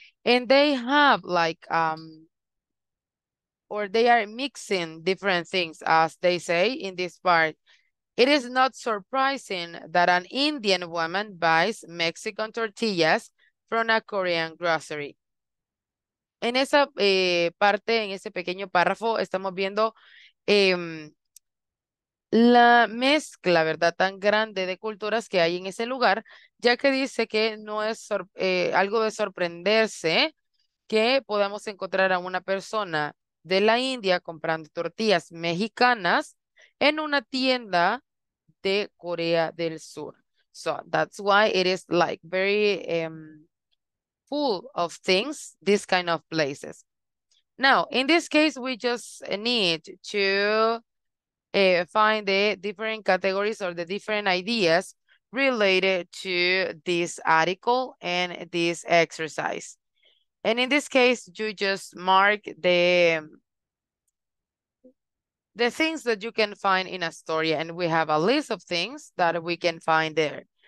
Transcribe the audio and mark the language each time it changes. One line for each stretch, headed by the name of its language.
English: And they have like, or they are mixing different things, as they say in this part. It is not surprising that an Indian woman buys Mexican tortillas from a Korean grocery.
Spanish: En esa parte, en ese pequeño párrafo, estamos viendo la mezcla, ¿verdad?, tan grande de culturas que hay en ese lugar, ya que dice que no es algo de sorprenderse que podamos encontrar a una persona de la India comprando tortillas mexicanas en una tienda de Corea del Sur.
English: So that's why it is like very full of things, this kind of places. Now, in this case, we just need to find the different categories or the different ideas related to this article and this exercise. And in this case, you just mark the things that you can find in a story, and we have a list of things that we can find there.